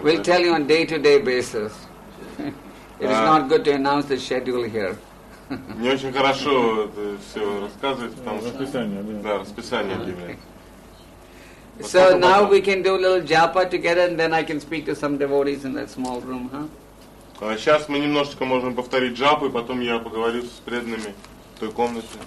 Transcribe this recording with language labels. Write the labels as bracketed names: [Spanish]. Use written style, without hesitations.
[English] We'll tell you on day-to-day basis. It is not good to announce the schedule here. [Russian] Не очень хорошо все рассказывать, потому что расписание. Да, расписание объявляет. [English] So now we can do a little japa together, and then I can speak to some devotees in that small room, huh? [Russian] Сейчас мы немножечко можем повторить джапу, и потом я поговорю с преданными в той комнате.